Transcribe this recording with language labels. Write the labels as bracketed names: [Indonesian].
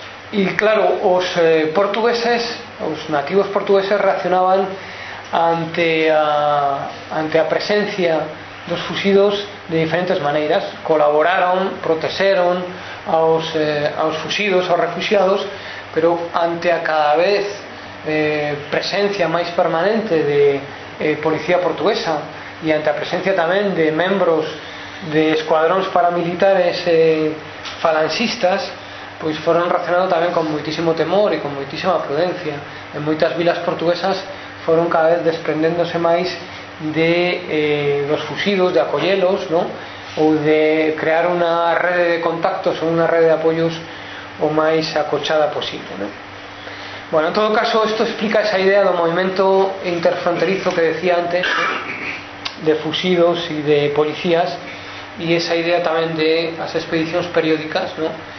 [Spanish] Y claro, los portugueses, los nativos portugueses reaccionaban [Galician] ante a presencia dos fusidos [Spanish] de diferentes maneiras. [Galician] Colaboraron, protexeron aos fusidos, aos refugiados, pero ante a cada vez presencia máis permanente de policía portuguesa e ante a presencia tamén de membros de escuadróns paramilitares falangistas, pois foron reaccionando tamén con moitísimo temor e con moitísima prudencia. En moitas vilas portuguesas foron cada vez desprendéndose máis de los fusidos, de acollelos, ¿no? [Spanish] O de crear una red de contactos o una red de apoyos o más acochada posible, ¿no? Bueno, en todo caso, esto explica esa idea del movimiento interfronterizo que decía antes, ¿no? De fusidos y de policías, y esa idea también de las expediciones periódicas, ¿no?